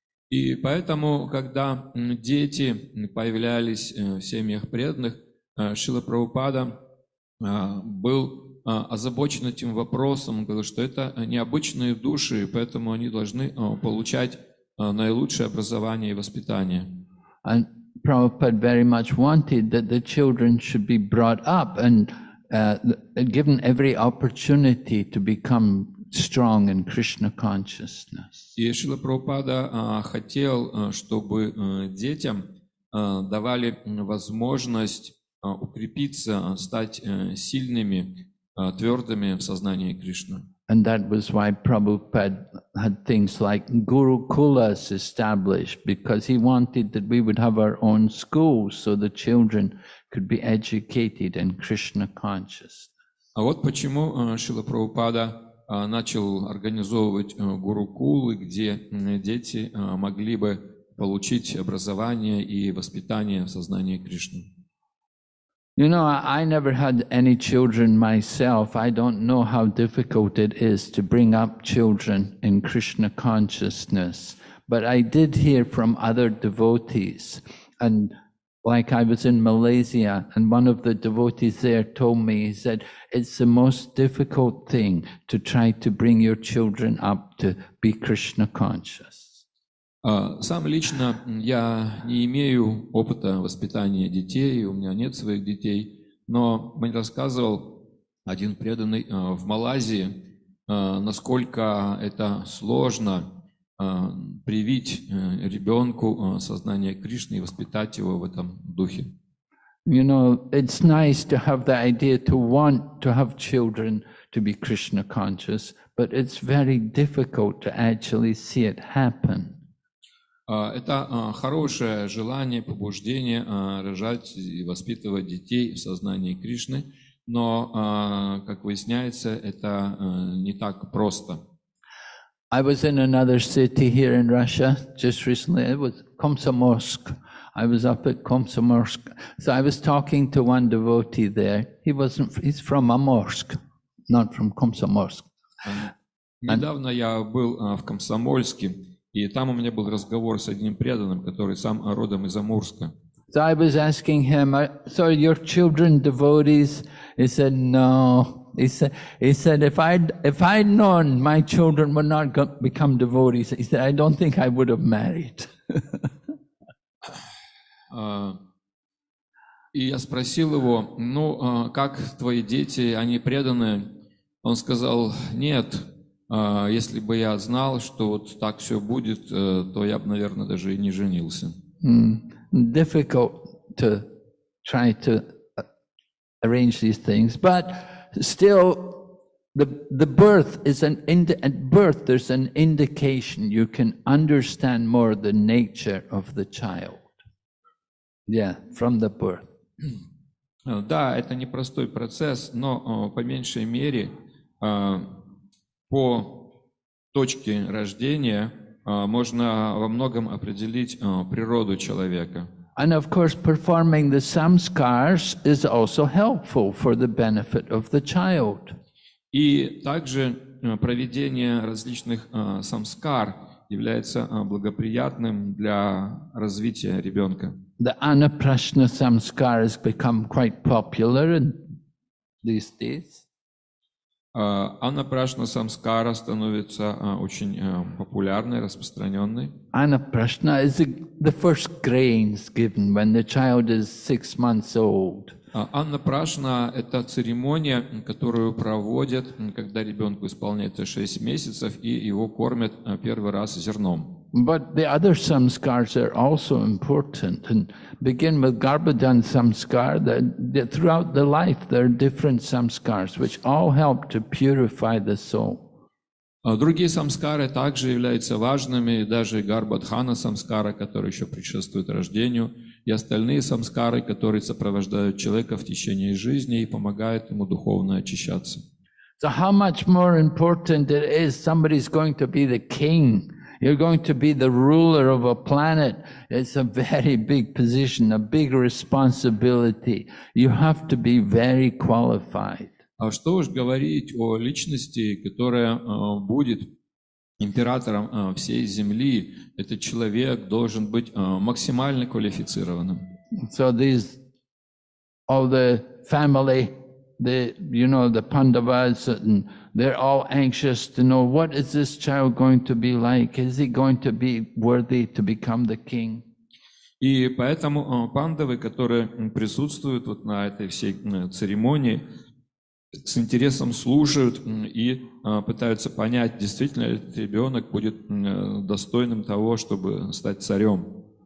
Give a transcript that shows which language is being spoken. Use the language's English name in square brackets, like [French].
[Russian] И поэтому, когда дети появлялись в семьях преданных, Шрила Прабхупада был озабочен этим вопросом, он говорил, что это необычные души, и поэтому они должны получать наилучшее образование и воспитание. [English] And Prabhupada very much wanted that the children should be brought up and given every opportunity to become strong in Krishna consciousness. [Russian] И Шрила Прабхупада хотел, чтобы детям давали возможность укрепиться, стать сильными, твердыми в сознании Кришны. [English] And that was why Prabhupada had things like Gurukulas established, because he wanted that we would have our own schools so the children could be educated in Krishna consciousness. [Russian] А вот почему Шрила Прабхупада начал организовывать Гурукулы, где дети могли бы получить образование и воспитание в сознании Кришны. [English] You know, I never had any children myself. I don't know how difficult it is to bring up children in Krishna consciousness. But I did hear from other devotees. And like I was in Malaysia, and one of the devotees there told me, he said, it's the most difficult thing to try to bring your children up to be Krishna conscious. [Russian] Сам лично я не имею опыта воспитания детей, у меня нет своих детей, но мне рассказывал один преданный в Малайзии, насколько это сложно привить ребенку сознание Кришны и воспитать его в этом духе. [English] You know, it's nice to have the idea to want to have children to be Krishna conscious, but it's very difficult to actually see it happen. [Russian] Это хорошее желание, побуждение рожать и воспитывать детей в сознании Кришны, но, как выясняется, это не так просто. [English] I was in another city here in Russia just recently. It was Komsomolsk. I was up at Komsomolsk. So I was talking to one devotee there. He's from Amorsk, not from Komsomolsk. [Russian] Недавно я был в Комсомольске, и там у меня был разговор с одним преданным, который сам родом из Амурска. [English] So I was asking him, so are your children devotees? He said, no. He said, if I'd known my children were not going to become devotees, he said, I don't think I would have married. [Russian] И я спросил его, ну, как твои дети, они преданы? Он сказал, нет, если бы я знал, что вот так все будет, то я бы, наверное, даже и не женился. [English] Difficult to try to arrange these things, but still, the birth is an at birth there's an indication you can understand more the nature of the child. Yeah, from the birth. [Russian] Да, это непростой процесс, но по меньшей мере по точке рождения можно во многом определить природу человека. [English] And of course, performing the samskars is also helpful for the benefit of the child. [Russian] И также проведение различных самскар является благоприятным для развития ребенка. [English] The anaprashna samskar has become quite popular in these days. [Russian] Анапрашна самскара становится очень популярной, распространенной. [English] Анапрашна is the first grains given when the child is 6 months old. [Russian] Анапрашна – это церемония, которую проводят, когда ребенку исполняется 6 месяцев, и его кормят первый раз зерном. [English] But the other samskars are also important, and begin with Garbhadhan samskar. That throughout the life there are different samskars, which all help to purify the soul. [Russian] Другие самскары также являются важными, даже Гарбхадхана самскара, который еще предшествует рождению, и остальные самскары, которые сопровождают человека в течение жизни и помогают ему духовно очищаться. [English] So how much more important it is somebody's going to be the king. You're going to be the ruler of a planet. It's a very big position, a big responsibility. You have to be very qualified. [Russian] А что уж говорить о личности, которая будет императором всей Земли. Этот человек должен быть максимально квалифицированным. [English] So these, all the family, the, you know, the Pandavas, and they're all anxious to know, what is this child going to be like? Is he going to be worthy to become the king? [Russian] И поэтому пандавы, которые присутствуют вот на этой всей церемонии, с интересом слушают и пытаются понять, действительно ли этот ребенок будет достойным того, чтобы стать царем.